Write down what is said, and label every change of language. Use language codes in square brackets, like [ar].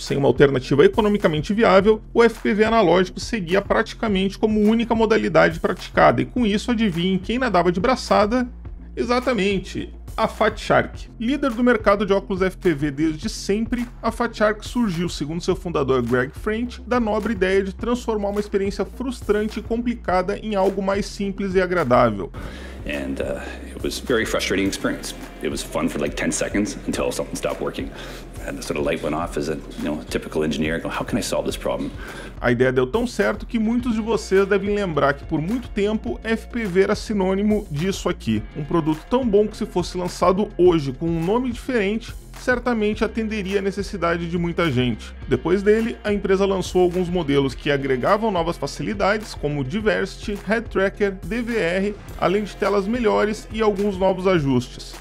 [pt] Sem uma alternativa economicamente viável, o FPV analógico seguia praticamente como única modalidade praticada, e com isso, adivinhem quem nadava de braçada? Exatamente, a Fat Shark. Líder do mercado de óculos FPV desde sempre, a Fat Shark surgiu, segundo seu fundador Greg French, da nobre ideia de transformar uma experiência frustrante e complicada em algo mais simples e agradável. [en] And it was a very frustrating experience. It was fun for like 10 seconds until something stopped working. And the sort of light went off as a, you know, typical engineer, go, how can I solve this problem? [pt] A ideia deu tão certo que muitos de vocês devem lembrar que por muito tempo FPV era sinônimo disso aqui. Um produto tão bom que se fosse lançado hoje com um nome diferente, certamente atenderia a necessidade de muita gente. Depois dele, a empresa lançou alguns modelos que agregavam novas facilidades, como Diversity, Head Tracker, DVR, além de telas melhores e alguns novos ajustes.